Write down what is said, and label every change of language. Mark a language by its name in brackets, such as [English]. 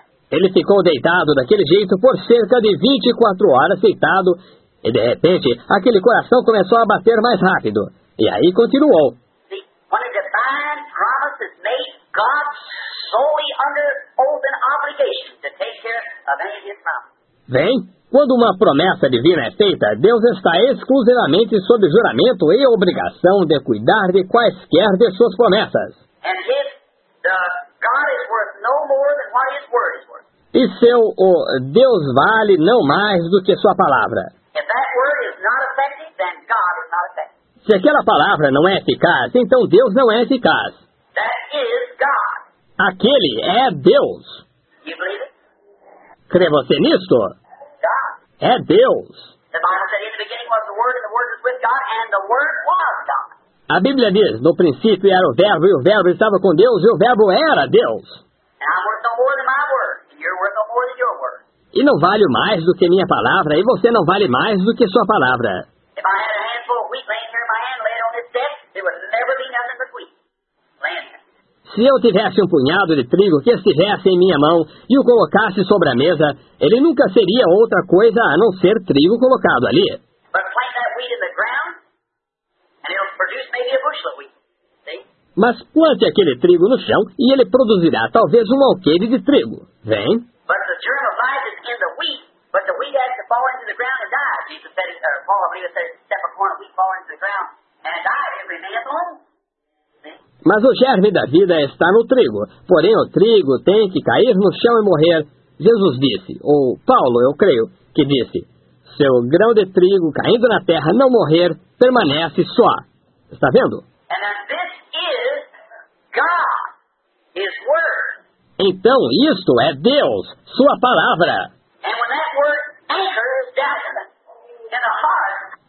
[Portuguese] Ele ficou deitado daquele jeito por cerca de 24 horas deitado e de repente aquele coração começou a bater mais rápido. E aí continuou. [English] When a divine promise is made, God's solely under oath and obligation to take care of any of his promises. [Portuguese] Vem, quando uma promessa divina é feita, Deus está exclusivamente sob juramento e obrigação de cuidar de quaisquer de suas promessas. [English] And his, the God is worth no more than what his word is worth. [Portuguese] E seu, Deus vale não mais do que sua palavra. [English] If that word is not effective, then God is not effective. [Portuguese] Se aquela palavra não é eficaz, então Deus não é eficaz. [English] That is God. [Portuguese] Aquele é Deus. [English] You believe it? [Portuguese] Crê você nisto? [English] God. [Portuguese] É Deus. [English] The Bible said in the beginning was the word, and the word was with God, and the word was God. [Portuguese] A Bíblia diz, no princípio era o verbo estava com Deus, e o verbo era Deus. [English] And I'm worth no more than my word, and you're worth no more than your word. [Portuguese] E não vale mais do que minha palavra, e você não vale mais do que sua palavra. [English] If I had a handful of wheat laying here in my hand, laying on this desk, there would never be nothing but wheat. [Portuguese] Se eu tivesse um punhado de trigo que estivesse em minha mão e o colocasse sobre a mesa, ele nunca seria outra coisa a não ser trigo colocado ali. [English] But plant that wheat in the ground, and it'll produce maybe a bushel of wheat. See? [Portuguese] Mas plante aquele trigo no chão e ele produzirá talvez um alqueire de trigo. Vem. [English] But the germ of life is in the wheat. But the wheat has to fall into the ground and die. Jesus said, or Paul, I believe it said, step a corn of wheat fall into the ground and die, it remains alone. [Portuguese] Mas o germe da vida está no trigo. Porém, o trigo tem que cair no chão e morrer. Jesus disse, ou Paulo, eu creio, que disse, se o grão de trigo caindo na terra não morrer, permanece só. Está vendo? [English] And then this is God, his word. [Portuguese] Então, isto é Deus, sua palavra. [English] And when that word anchors down in the heart,